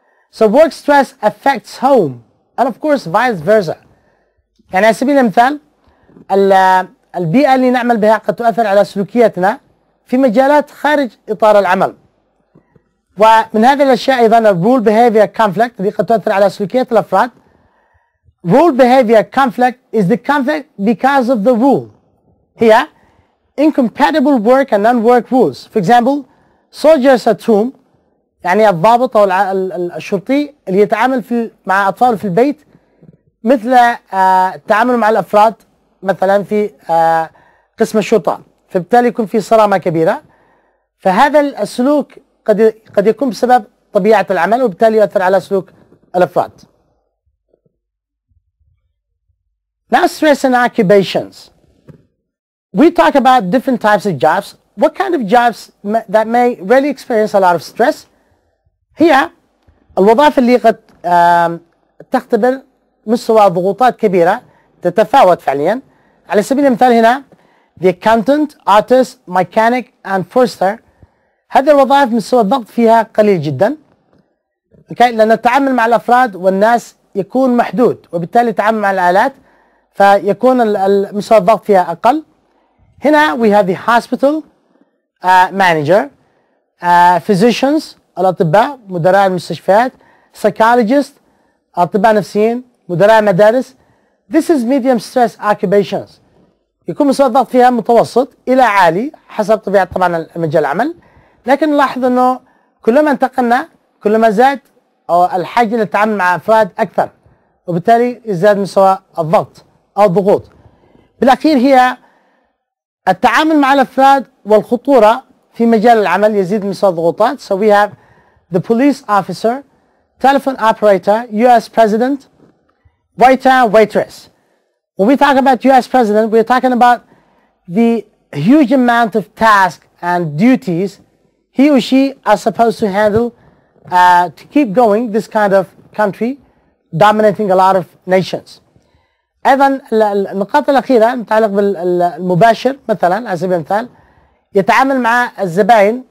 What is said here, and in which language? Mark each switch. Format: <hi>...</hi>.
<en>So work stress affects home and of course vice versa.</en> <ar>يعني على سبيل المثال البيئة اللي نعمل بها قد تؤثر على سلوكياتنا في مجالات خارج إطار العمل. ومن هذه الأشياء أيضا role behavior conflict اللي قد تؤثر على سلوكيات الأفراد.</ar> <en>Role behavior conflict is the conflict because of the rule. Here, incompatible work and non-work rules. For example, soldiers at home,</en> <ar>يعني الضابط أو الشرطي اللي يتعامل في مع أطفال في البيت مثل التعامل مع الأفراد مثلا في قسم الشرطة. فبالتالي يكون في صرامة كبيرة. فهذا السلوك قد يكون بسبب طبيعة العمل وبالتالي يؤثر على سلوك الأفراد.</ar> <en>Now stress and occupations. We talk about different types of jobs. What kind of jobs that may really experience a lot of stress?</en> <ar>Here, الوظائف اللي قد تختبر مستوى ضغوطات كبيرة تتفاوت فعليا. على سبيل المثال هنا,</ar> <en>the accountant, artist, mechanic, and forester.</en> <ar>هذه الوظائف مستوى الضغط فيها قليل جدا. Okay, لأن التعامل مع الأفراد والناس يكون محدود وبالتالي التعامل مع الآلات فيكون مستوى الضغط فيها أقل. هنا</ar> <en>we have the hospital manager, physicians,</en> <ar>الأطباء, مدراء المستشفيات, psychologists, أطباء نفسيين, مدراء مدارس.</ar> <en>This is medium stress occupations.</en> <ar>يكون مستوى الضغط فيها متوسط إلى عالي حسب طبيعة طبعا مجال العمل. لكن نلاحظ أنه كلما انتقلنا كلما زاد الحاجة للتعامل مع أفراد أكثر وبالتالي يزداد مستوى الضغط أو الضغوط. بالأخير هي التعامل مع الأفراد والخطورة في مجال العمل يزيد من الضغوطات.</ar> <en>So we have the police officer, telephone operator, US president, waiter, waitress. When we talk about US president, we're talking about the huge amount of tasks and duties he or she are supposed to handle to keep going this kind of country dominating a lot of nations.</en> <ar>أيضا النقاط الأخيرة المتعلقة بالمباشر مثلا على سبيل المثال يتعامل مع الزبائن.</ar>